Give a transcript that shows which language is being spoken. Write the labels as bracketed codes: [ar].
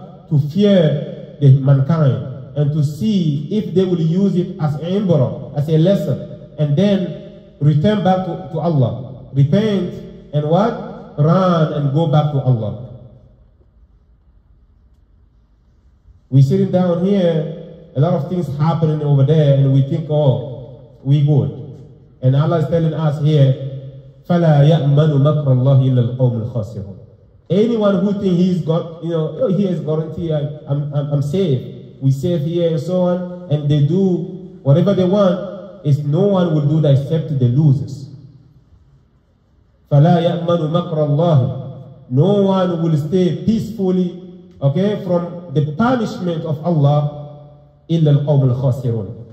[en] To fear the mankind and to see if they will use it as imbara, as a lesson, and then return back to Allah. Repent and what? Run and go back to Allah. We're sitting down here, a lot of things happening over there, and we think, oh, we good. And Allah is telling us here, [ar] فَلَا يَأْمَنُ مَكْرَ اللَّهِ إِلَّا الْقَوْمُ الْخَاسِرُونَ. [en] Anyone who thinks he's got, you know, he has guaranteed I'm safe. We safe here and so on. And they do whatever they want, is no one will do that except the losers. [ar] فَلَا يَأْمَنُ مَكْرَ اللَّهِ. [en] No one will stay peacefully, okay, from the punishment of Allah, [ar] إِلَّا الْقَوْمُ الْخَاسِرُونَ.